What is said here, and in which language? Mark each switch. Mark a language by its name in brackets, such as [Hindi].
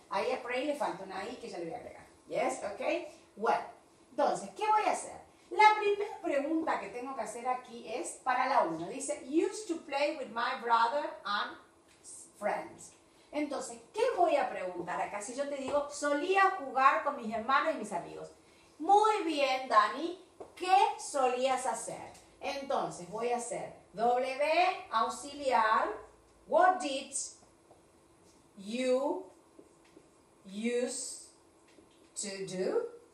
[Spanish] Ahí por ahí le falta una I que ya le voy a agregar. ¿Yes? ¿Ok? Bueno, entonces, ¿qué voy a hacer? La primera pregunta que tengo que hacer aquí es para la 1. [English] Dice, used to play with my brother and friends. [Spanish] Entonces, ¿qué voy a preguntar acá? Si yo te digo, solía jugar con mis hermanos y mis amigos. Muy bien, Dani, ¿qué solías hacer? Entonces, voy a hacer W auxiliar, [English] what did you used to do?